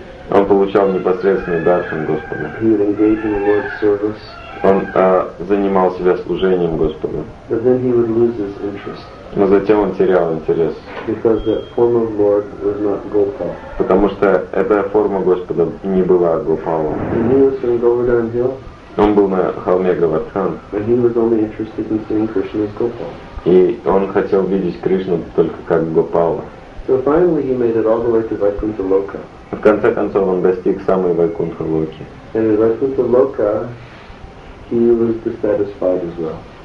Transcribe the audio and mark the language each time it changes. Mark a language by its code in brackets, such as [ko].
[ru] Он получал непосредственный даршан Господа. [en] He would engage in the Lord's service. [ru] Он занимал себя служением Господа. [en] But then he would lose his interest. [ru] Но затем он терял интерес. [en] Because that form of Lord was not Gopal. [ru] Потому что эта форма Господа не была Гопалом. [en] And he was from Govardhan Hill. [ru] Он был на холме Говардхан. [en] And he was only interested in seeing Krishna as Gopal. [ru] И он хотел видеть Кришну только как Гопала. [en] So finally he made it all the way to Vaikuntha Loka. [ru] В конце концов он достиг самой Вайкунтха Локи. [en] And in Vaikuntha Loka, he was dissatisfied as well.